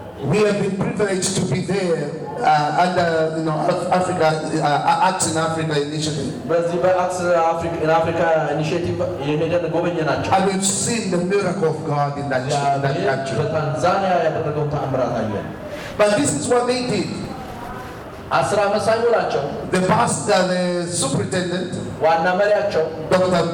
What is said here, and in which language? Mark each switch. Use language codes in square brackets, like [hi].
[en] We have been privileged to be there under you know Africa Acts in Africa initiative. [am] በዚህ በአክስ አፍሪካ ኢን አፍሪካ ኢኒሼቲቭ የሄደን ጎበኘናቸው. [en] And we've seen the miracle of God in that country. [am] በታንዛኒያ ያደረገው ተአምራት አየን. [en] But this is what they did. The pastor, the superintendent, Dr.